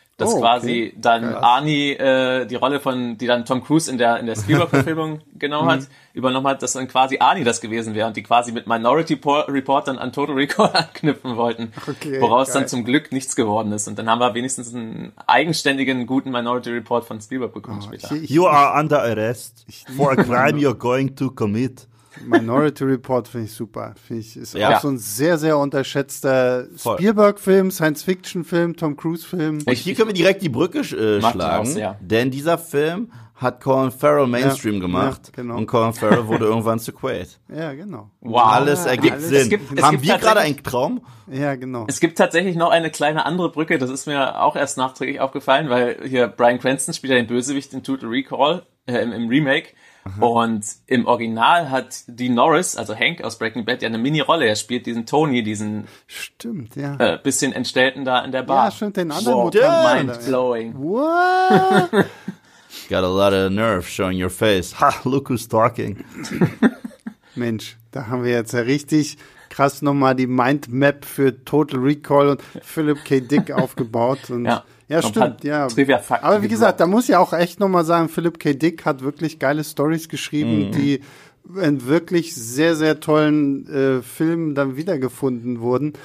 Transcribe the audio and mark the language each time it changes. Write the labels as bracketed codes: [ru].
[de] dass quasi dann Arnie die Rolle von, die dann Tom Cruise in der Spielberg-Verfilmung genommen hat, übernommen hat, dass dann quasi Arnie das gewesen wäre und die quasi mit Minority Report dann an Total Recall anknüpfen wollten, woraus dann zum Glück nichts geworden ist. Und dann haben wir wenigstens einen eigenständigen, guten Minority Report von Spielberg bekommen später. [en] You are under arrest for a crime you're going to commit. [de] Minority Report finde ich super. Finde ich, ist auch so ein sehr, sehr unterschätzter Spielberg-Film, Science-Fiction-Film, Tom Cruise-Film. Und hier können wir direkt die Brücke schlagen, denn dieser Film hat Colin Farrell Mainstream gemacht und Colin Farrell wurde irgendwann zu Quaid. Ja, genau. Wow. Alles ergibt alles Sinn. Haben wir gerade einen Traum? Ja, genau. Es gibt tatsächlich noch eine kleine andere Brücke, das ist mir auch erst nachträglich aufgefallen, weil hier Bryan Cranston spielt ja den Bösewicht in Total Recall, im Remake. Und im Original hat Dean Norris, also Hank aus Breaking Bad, ja eine Mini-Rolle. Er spielt diesen Tony, diesen bisschen Entstellten da in der Bar. Ja, stimmt, den anderen Mutanten. [en] Mind-blowing. What? Got a lot of nerve showing your face. Ha, look who's talking. [de] Mensch, da haben wir jetzt ja richtig krass nochmal die Mind-Map für Total Recall und Philip K. Dick aufgebaut. Und ja, stimmt, ja. Aber wie gesagt, da muss ich auch echt nochmal sagen, Philip K. Dick hat wirklich geile Stories geschrieben, die in wirklich sehr, sehr tollen Filmen dann wiedergefunden wurden.